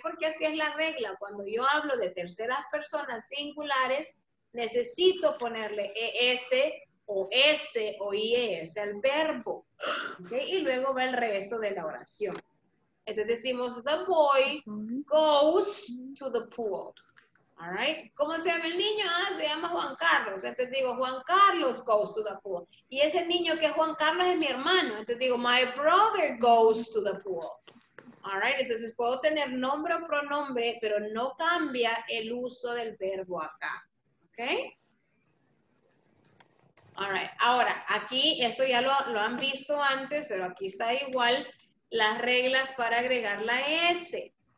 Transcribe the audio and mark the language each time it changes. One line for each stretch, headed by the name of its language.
Spanish: Porque así es la regla. Cuando yo hablo de terceras personas singulares, necesito ponerle es o s o ies al verbo. ¿Okay? Y luego va el resto de la oración. Entonces decimos,
English: the boy goes to the pool. All right.
Spanish: ¿Cómo se llama el niño? Ah, se llama Juan Carlos. Entonces digo, Juan Carlos
English: goes to the pool.
Spanish: Y ese niño que es Juan Carlos es mi hermano. Entonces digo,
English: my brother goes to the pool. All right.
Spanish: Entonces puedo tener nombre o pronombre, pero no cambia el uso del verbo acá. ¿Ok? All right. Ahora, aquí, esto ya lo han visto antes, pero aquí está igual las reglas para agregar la S.